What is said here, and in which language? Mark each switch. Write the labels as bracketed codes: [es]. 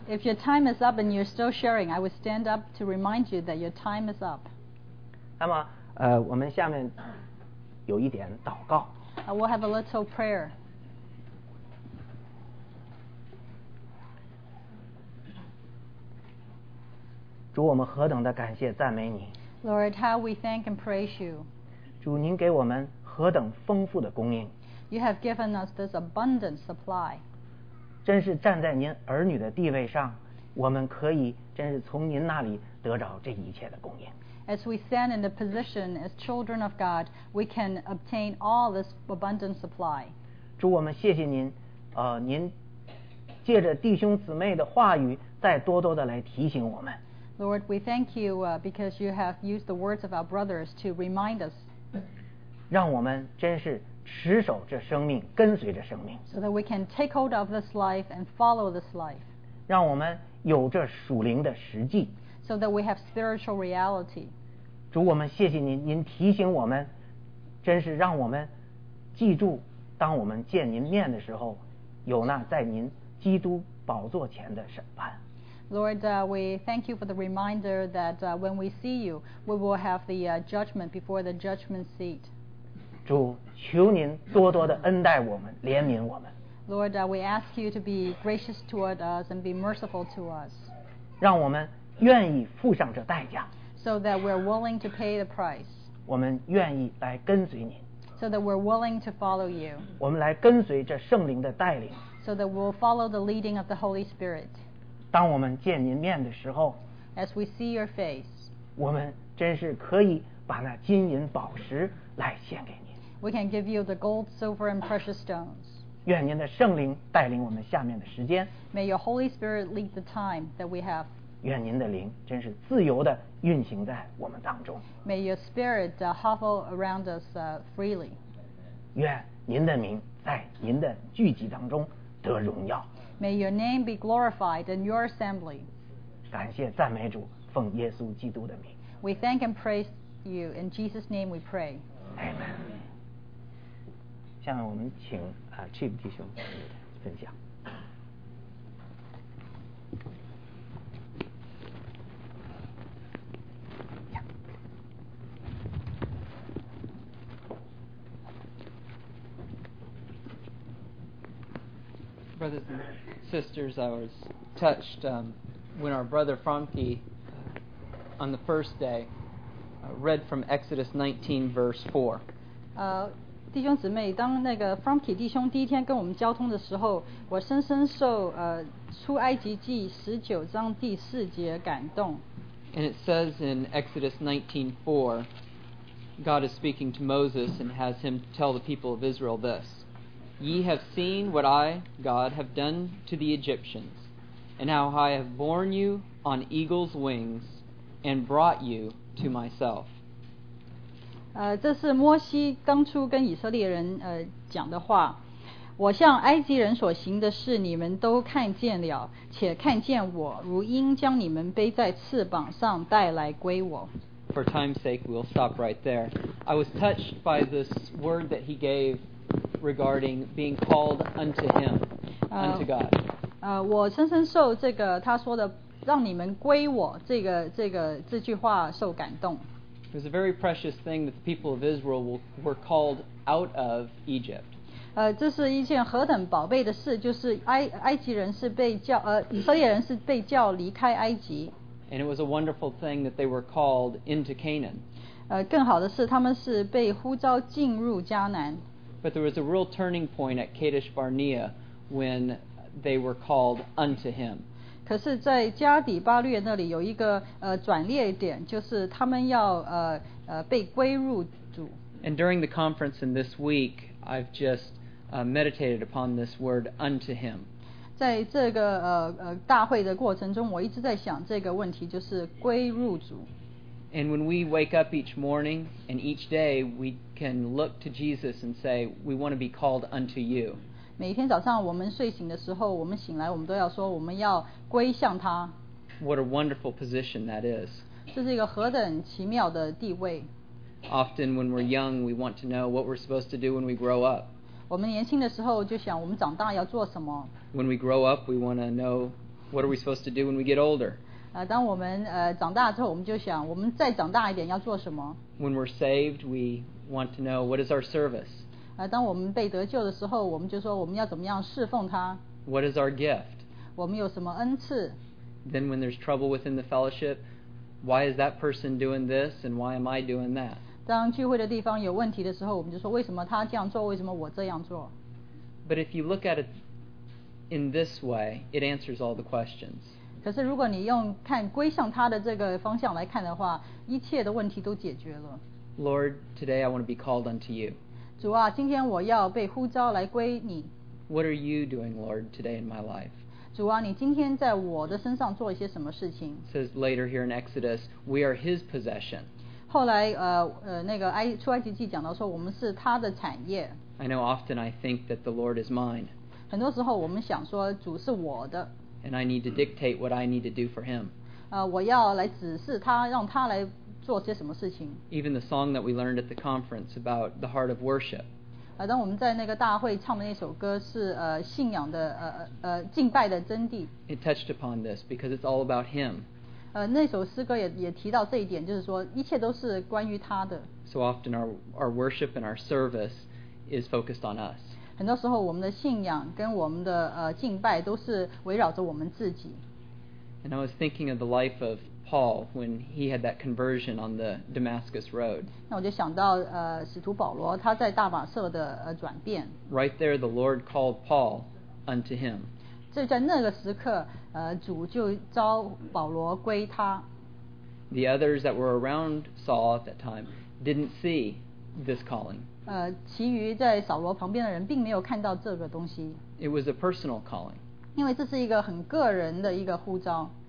[en] If your time is up and you're still sharing, I would stand up to remind you that your time is up. [zh] 那么我们下面有一点祷告。 [en] We'll have a little prayer. [zh] 主，我们何等的感谢赞美你。 [en] Lord, how we thank and praise you. [zh] 主，您给我们何等丰富的供应。 [en] You have given us this abundant supply. [zh] 真是站在您儿女的地位上，我们可以真是从您那里得着这一切的供应。 [en] As we stand in the position as children of God, we can obtain all this abundant supply. [zh] 主，我们谢谢您，您借着弟兄姊妹的话语，再多多的来提醒我们。 [en] Lord, we thank you because you have used the words of our brothers to remind us. [zh] 让我们真是持守这生命，跟随着生命。 [en] So that we can take hold of this life and follow this life. [zh] 让我们有这属灵的实际。 [en] So that we have spiritual reality. [zh] 主，我们谢谢您，您提醒我们，真是让我们记住，当我们见您面的时候，有那在您基督宝座前的审判。 [en] Lord, we thank you for the reminder that when we see you, we will have the judgment before the judgment seat. [zh] 主，求您多多的恩待我们，怜悯我们。 [en] Lord, we ask you to be gracious toward us and be merciful to us. [zh] 让我们愿意付上这代价。 [en] So that we're willing to pay the price. [zh] 我们愿意来跟随您。 [en] So that we're willing to follow you. [zh] 我们来跟随这圣灵的带领。 [en] So that we'll follow the leading of the Holy Spirit. [zh] 当我们见您面的时候， [en] As we see your face. [zh] 我们真是可以把那金银宝石来献给您。 [en] We can give you the gold, silver, and precious stones. [zh] 愿您的圣灵带领我们下面的时间。 [en] May your Holy Spirit lead the time that we have. [zh] 愿您的灵真是自由地运行在我们当中。 [en] May your spirit hover around us freely. [zh] 愿您的名在您的聚集当中得荣耀。 [en] May your name be glorified in your assembly. [zh] 感谢赞美主，奉耶稣基督的名。 [en] We thank and praise you in Jesus' name. We pray. [zh] Amen. 下面我们请Chip 弟兄分享。 [en] Brothers and sisters, I was touched when our brother Franke on the first day read from Exodus 19, verse 4. [zh] 弟兄姊妹，当那个 Franke 弟兄第一天跟我们交通的时候，我深深受出埃及记十九章第四节感动。 [en] And it says in Exodus 19:4, God is speaking to Moses and has him tell the people of Israel this. Ye have seen what I, God, have done to the Egyptians, and how I have borne you on eagles' wings and brought you to myself. [zh] 这是摩西当初跟以色列人讲的话。我向埃及人所行的事，你们都看见了，且看见我如鹰将你们背在翅膀上带来归我。 [en] For time's sake, we'll stop right there. I was touched by this word that he gave. Regarding being called unto him, unto God. [zh] 我深深受这个他说的让你们归我这句话受感动。 [en] It was a very precious thing that the people of Israel were called out of Egypt. [zh] 这是一件何等宝贝的事，就是埃及人是被叫以色列人是被叫离开埃及。 [en] And it was a wonderful thing that they were called into Canaan. [zh] 更好的是他们是被呼召进入迦南。 [en] But there was a real turning point at Kadesh Barnea when they were called unto him. [zh] 可是在加底巴略那里有一个转捩点，就是他们要被归入主。 [en] And during the conference in this week, I've just meditated upon this word unto him. [zh] 在这个大会的过程中，我一直在想这个问题，就是归入主。 [en] And when we wake up each morning and each day, we can look to Jesus and say, we want to be called unto you. [zh] 每天早上我们睡醒的时候，我们醒来，我们都要说我们要归向他。 [en] What a wonderful position that is. [zh] 这是一个何等奇妙的地位。 [en] Often when we're young, we want to know what we're supposed to do when we grow up. [zh] 我们年轻的时候就想我们长大要做什么。 [en] When we grow up, we want to know what are we supposed to do when we get older. [zh] 当我们长大之后，我们就想，我们再长大一点要做什么 [en] ？When we're saved, we want to know what is our service. [zh] 当我们被得救的时候，我们就说我们要怎么样侍奉他 [en] ？What is our gift? [zh] 我们有什么恩赐 [en] ？Then when there's trouble within the fellowship, why is that person doing this and why am I doing that? [zh] 当聚会的地方有问题的时候，我们就说为什么他这样做，为什么我这样做 [en] ？But if you look at it in this way, it answers all the questions. [zh] 可是如果你用看归向他的这个方向来看的话，一切的问题都解决了。 [en] Lord, today I want to be called unto you. [zh] 主啊，今天我要被呼召来归你。 [en] What are you doing, Lord, today in my life? [zh] 主啊，你今天在我的身上做一些什么事情 [en] It says later here in Exodus, we are his possession. [zh] 后来那个出埃及记讲到说我们是他的产业。 [en] I know often I think that the Lord is mine. [zh] 很多时候我们想说主是我的。 [en] And I need to dictate what I need to do for him. [zh] 我要来指示他，让他来做些什么事情。 [en] Even the song that we learned at the conference about the heart of worship. [zh] 当我们在那个大会唱的那首歌是信仰的敬拜的真谛。 [en] It touched upon this because it's all about him. [zh] 那首诗歌也提到这一点，就是说一切都是关于他的。 [en] So often our worship and our service is focused on us. [zh] 很多时候我们的信仰跟我们的敬拜都是围绕着我们自己。 [en] And I was thinking of the life of Paul when he had that conversion on the Damascus Road. [zh] 那我就想到使徒保罗他在大马色的转变。 [en] Right there the Lord called Paul unto him. [zh] 就在那个时刻主就召保罗归他。 [en] The others that were around Saul at that time didn't see this calling. [zh] 其余在扫罗旁边的人并没有看到这个东西。 [en] It was a personal calling. [zh] 因为这是一个很个人的一个呼召。